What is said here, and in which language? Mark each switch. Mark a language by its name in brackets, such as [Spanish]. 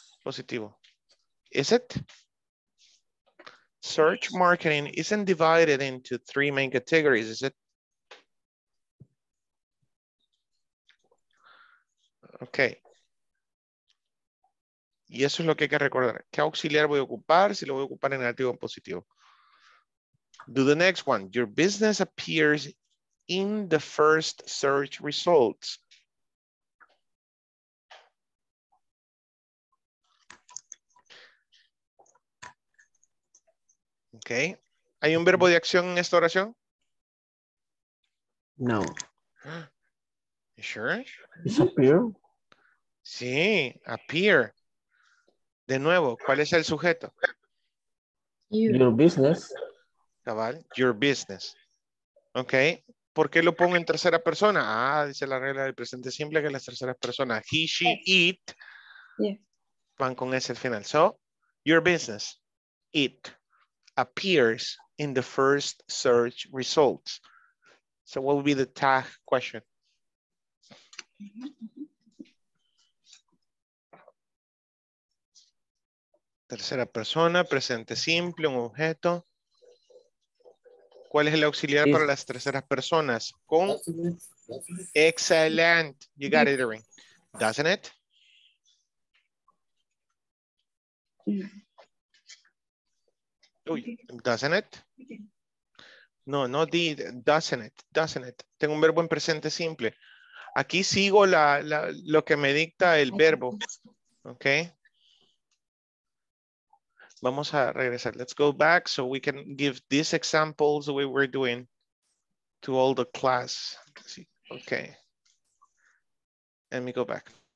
[English] Positivo. Is it? Search marketing isn't divided into three main categories, is it? Okay. [Spanish] Y eso es lo que hay que recordar. ¿Qué auxiliar voy a ocupar? Si lo voy a ocupar en negativo o en positivo. [English] Do the next one. Your business appears in the first search results. Okay. [Spanish] ¿Hay un verbo de acción en esta oración? No. [English] You sure? Disappear. [Spanish] Sí, appear. De nuevo, ¿cuál es el sujeto? [English] Your business. Cabal, your business. [Spanish] Ok, ¿por qué lo pongo en tercera persona? Ah, dice la regla del presente simple que las terceras personas, he, she, it, [English] yeah, [Spanish] van con ese al final. [English] So, your business, it, appears in the first search results. So, what would be the tag question? [Spanish] Tercera persona, presente simple, un objeto. ¿Cuál es el auxiliar para las terceras personas? [English] Con. Excellent. You got it, Irene. Doesn't it? Uy, doesn't it? No, no did. Doesn't it? Doesn't it? [Spanish] Tengo un verbo en presente simple. Aquí sigo lo que me dicta el verbo. [English] Ok. [Spanish] Vamos a regresar. [English] Let's go back so we can give these examples the way we're doing to all the class. Okay. Let me go back.